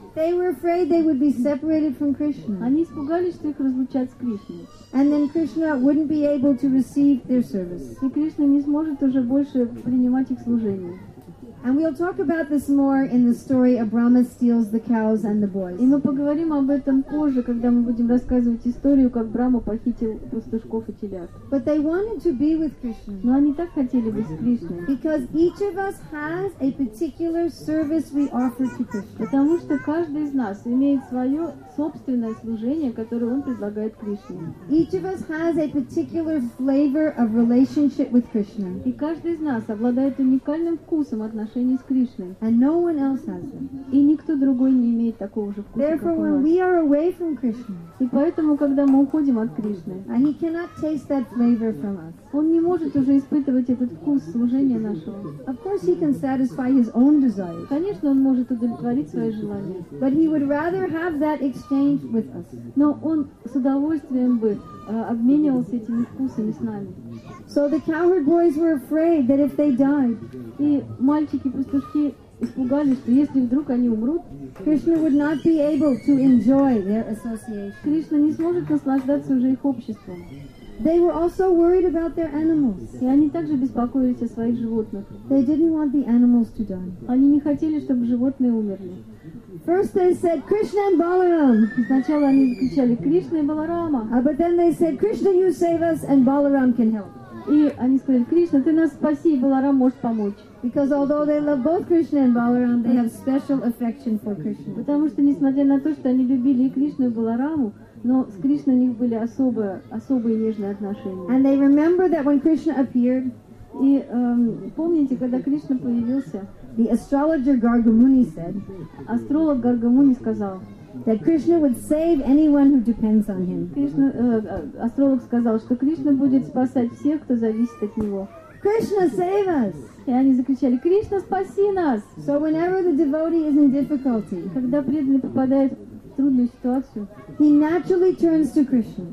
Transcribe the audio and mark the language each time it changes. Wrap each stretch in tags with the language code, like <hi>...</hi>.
<en>They were afraid they would be separated from Krishna.</en> <ru>Они испугались, что их разлучат с Кришной.</ru> <en>And then Krishna wouldn't be able to receive their service.</en> <ru>И Кришна не сможет уже больше принимать их служение.</ru> <en>And we'll talk about this more in the story of Brahma steals the cows and the boys.</en> <ru>И мы поговорим об этом позже, когда мы будем рассказывать историю, как Брама похитил пастушков и телят.</ru> <en>But they wanted to be with Krishna.</en> <ru>Но они так хотели быть с Кришной.</ru> <en>Because each of us has a particular service we offer to Krishna.</en> <ru>Потому что каждый из нас имеет свое собственное служение, которое он предлагает Кришне.</ru> <en>Each of us has a particular flavor of relationship with Krishna.</en> <ru>И каждый из нас обладает уникальным вкусом отношений с Кришной.</ru> <en>And no one else has them.</en> <ru>И никто другой не имеет такого же вкуса,</ru> <en>Therefore,</en> <ru>как у</ru> <en>when</en> <ru>нас.</ru> <en>We are away from Krishna,</en> <ru>и поэтому, когда мы уходим от Кришны,</ru> <en>and he cannot taste that flavor from us.</en> <ru>Он не может уже испытывать этот вкус служения нашего.</ru> <en>Of course he can satisfy his own desires.</en> <ru>Конечно, он может удовлетворить свои желания.</ru> <en>But he would rather have that exchange with us.</en> <ru>Но он с удовольствием бы обменивался этими вкусами с нами.</ru> <en>So the cowherd boys were afraid that if they died,</en> <ru>и мальчики-пастушки испугались, что если вдруг они умрут,</ru> <en>Krishna would not be able to enjoy their association.</en> <ru>Кришна не сможет наслаждаться уже их обществом.</ru> <en>They were also worried about their animals.</en> <ru>И они также беспокоились о своих животных.</ru> <en>They didn't want the animals to die.</en> <ru>Они не хотели, чтобы животные умерли.</ru> <en>First they said Krishna and Balaram.</en> <ru>Сначала они кричали Кришна и Баларама.</ru> <en>But then they said Krishna, you save us, and Balaram can help.</en> <ru>И они сказали: Кришна, ты нас спаси, и Баларам может помочь.</ru> <en>Because although they love both Krishna and Balaram, they have special affection for Krishna.</en> <ru>Потому что несмотря на то, что они любили и Кришну и Балараму, но с Кришной у них были особые нежные отношения.</ru> <en>And they remember that when Krishna appeared,</en> <ru>и помните, когда Кришна появился.</ru> <en>The astrologer Gargamuni said,</en> <ru>астролог Гаргамуни сказал,</ru> <en>that Krishna would save anyone who depends on him.</en> <ru>Кришна, астролог сказал, что Кришна будет спасать всех, кто зависит от него.</ru> <en>Krishna, save us!</en> <ru>И они закричали: Кришна, спаси нас!</ru> <en>So whenever the devotee is in difficulty,</en> <ru>когда преданный попадает в трудную ситуацию,</ru> <en>he naturally turns to Krishna.</en>